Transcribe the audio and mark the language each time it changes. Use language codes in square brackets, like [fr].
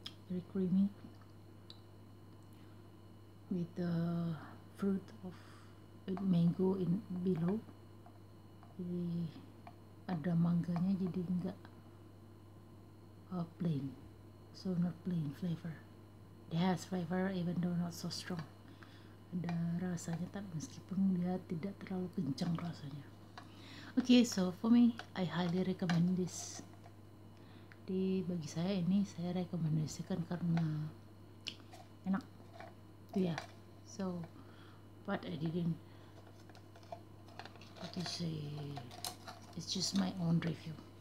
[en] Very creamy with the fruit of mango in below. [id] Jadi ada mangganya jadi enggak plain. [en] So not plain flavor. It has flavor even though not so strong. [id] Ada rasanya tapi meskipun dia tidak terlalu kencang rasanya. [en] Okay, so for me I highly recommend this. [id] Jadi bagi saya ini saya rekomendasikan karena enak ya. [en] Yeah. So but I didn't what to say, it's just my own review.